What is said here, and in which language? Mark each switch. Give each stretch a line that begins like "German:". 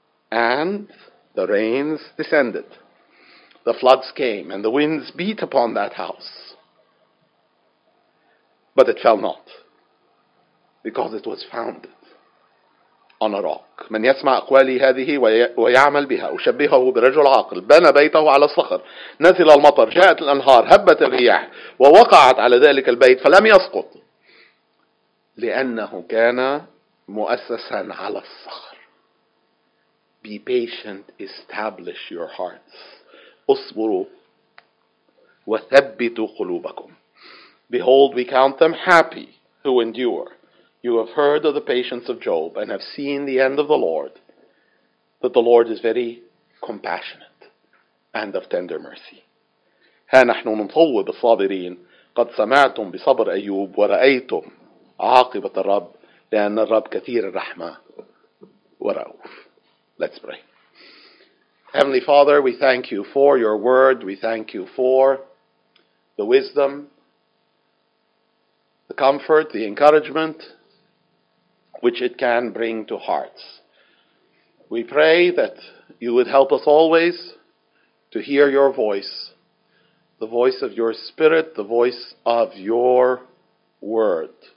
English: And the rains descended. The floods came and the winds beat upon that house. But it fell not, because it was founded on a rock.
Arabic: من يسمع أقوالي هذه ويعمل بها وشبهه برجل عاقل بنى بيته على الصخر. نزل المطر, جاءت الأنهار, هبت الرياح ووقعت على ذلك البيت فلم يسقط, لأنه كان مؤسسا على الصخر.
English: Be patient, establish your hearts.
Arabic: اصبروا وثبتوا قلوبكم.
English: Behold, we count them happy who endure. You have heard of the patience of Job and have seen the end of the Lord, that the Lord is very compassionate and of tender mercy.
Arabic: ها نحن نطوب الصابرين قد سمعتم بصبر أيوب ورأيتم عاقبة الرب لأن الرب كثير الرحمة ورؤوف.
English: Let's pray. Heavenly Father, we thank you for your word. We thank you for the wisdom, the comfort, the encouragement which it can bring to hearts. We pray that you would help us always to hear your voice, the voice of your Spirit, the voice of your word.